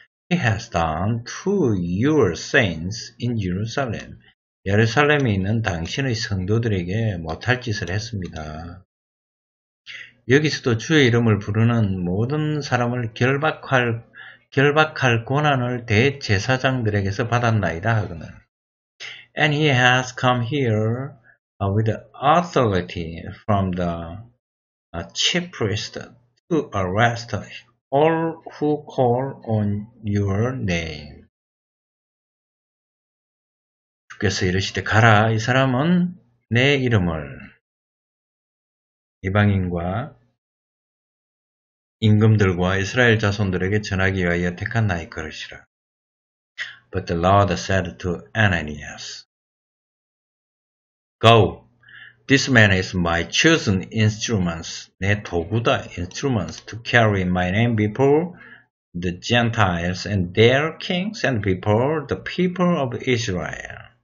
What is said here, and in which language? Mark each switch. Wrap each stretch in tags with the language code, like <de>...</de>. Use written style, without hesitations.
<en>He has done to your saints in Jerusalem.</en> <ko>예루살렘에 있는 당신의 성도들에게 못할 짓을 했습니다. 여기서도 주의 이름을 부르는 모든 사람을 결박할 권한을 대제사장들에게서 받았나이다 하거늘.</ko> <en>And he has come here with authority from the chief priest to arrest all who call on your name.</en> <ko>주께서 이르시되 가라, 이 사람은 내 이름을 이방인과 임금들과 이스라엘 자손들에게 전하기 위하여 택한 나의 그릇이라.</ko> <en>But the Lord said to Ananias, Go, this man is my chosen instrument,</en> <ko>내 도구다,</ko> <en>instruments to carry my name before the Gentiles and their kings and before the people of Israel.</en>